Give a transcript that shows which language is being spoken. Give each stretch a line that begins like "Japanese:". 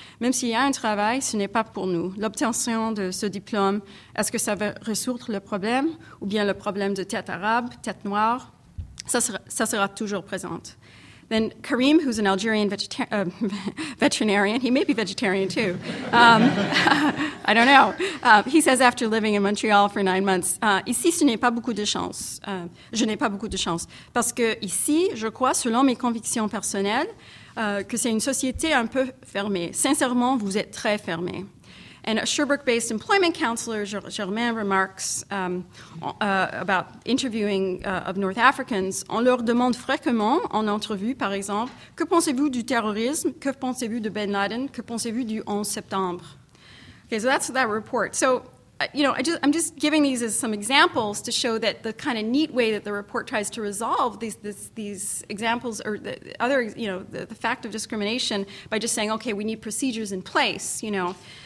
French: Même s'il y a un travail, ce n'est pas pour nous. L'obtention de ce diplôme, est-ce que ça va résoudre le problème ou bien le problème de tête arabe, tête noire, ça sera toujours présent.
English: Then Karim, who's an Algerian veterinarian, he may be vegetarian too, I don't know. He says after living in Montreal for 9 months,
French: ici, ce n'est pas beaucoup de chance. Je n'ai pas beaucoup de chance. Parce que ici, je crois, selon mes convictions personnelles, que c'est une société un peu fermée. Sincèrement, vous êtes très fermée.
English: And a Sherbrooke-based employment counselor, Germain, remarks about interviewing of North Africans.
French: On leur demande fréquemment, en entrevue, par exemple, que pensez-vous du terrorisme? Que pensez-vous de Ben Laden? Que pensez-vous du 11 septembre?
English: Okay, so that's that report. So, I'm just giving these as some examples to show that the kind of neat way that the report tries to resolve these examples or the fact of discrimination by just saying, okay, we need procedures in place, you know.